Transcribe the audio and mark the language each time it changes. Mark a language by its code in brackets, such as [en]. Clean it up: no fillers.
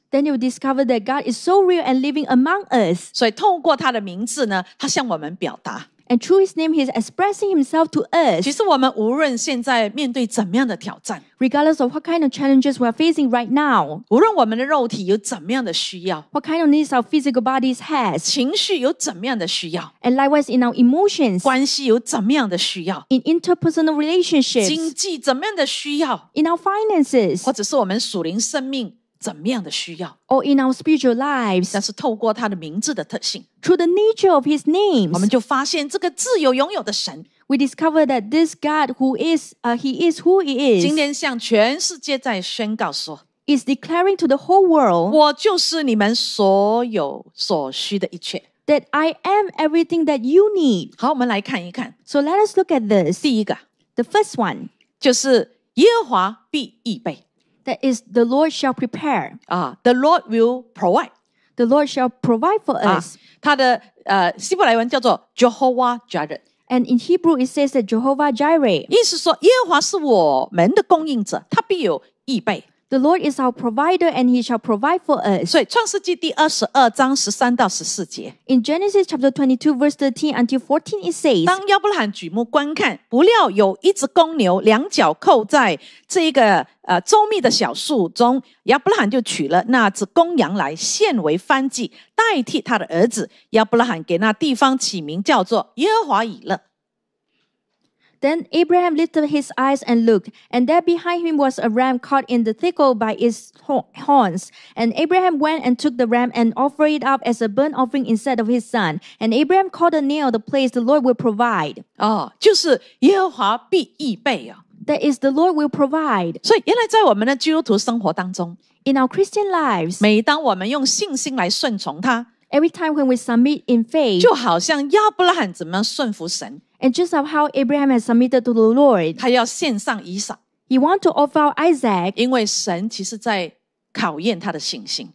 [en] Then you discover that God is so real and living among us. [zh] 所以透过他的名字呢，他向我们表达。 [en] And through his name, he is expressing himself to us. [zh] 其实我们无论现在面对怎么样的挑战 [en] ，regardless of what kind of challenges we are facing right now， [zh] 无论我们的肉体有怎么样的需要 [en] ，what kind of needs our physical bodies has， [zh] 情绪有怎么样的需要 [en] ，and likewise in our emotions， [zh] 关系有怎么样的需要 [en] ，in interpersonal relationships， [zh] 经济怎么样的需要 [en] ，in our finances， [zh] 或者是我们属灵生命。怎么样的需要 [en] ？Or in our spiritual lives， [zh] 但是透过他的名字的特性 [en] ，through the nature of his names， [zh] 我们就发现这个自由拥有的神 [en] ，we discover that this God who is， he is who he is。 [zh] 今天向全世界在宣告说 [en] ，is declaring to the whole world， [zh] 我就是你们所有所需的一切。 [en] That I am everything that you need。 [zh] 好，我们来看一看。 [en] So let us look at this。 [zh] 第一个 [en] ，the first one， [zh] 就是耶和华必预备。 [en] That is, the Lord shall prepare. The Lord will provide. The Lord shall provide for us. [zh] 他的希伯来文叫做 Jehovah Jireh. [en] And in Hebrew, it says that Jehovah Jireh. [zh] 意思说耶和华是我们的供应者，他必有预备。 [en] The Lord is our provider, and He shall provide for us. [zh] 所以创世纪第二十二章十三到十四节。 [en] In Genesis chapter 22, verse 13 until 14, it says, [zh] 当亚伯拉罕举目观看，不料有一只公牛两脚扣在这个周密的小树中，亚伯拉罕就取了那只公羊来献为燔祭，代替他的儿子。亚伯拉罕给那地方起名叫做耶和华以勒。 [en] Then Abraham lifted his eyes and looked, and there behind him was a ram caught in the thicket by its horns. And Abraham went and took the ram and offered it up as a burnt offering instead of his son. And Abraham called the name of the place the Lord will provide. [zh] 就是耶和华必预备啊。 [en] That is the Lord will provide. [zh] 所以原来在我们的基督徒生活当中 [en] ，in our Christian lives， [zh] 每当我们用信心来顺从他 [en] ，every time when we submit in faith， [zh] 就好像亚伯拉罕怎么样顺服神。 [en] And just of how Abraham has submitted to the Lord, [zh] 他要献上以撒。 [en] He want to offer out Isaac, [zh] 因为神其实在考验他的信心。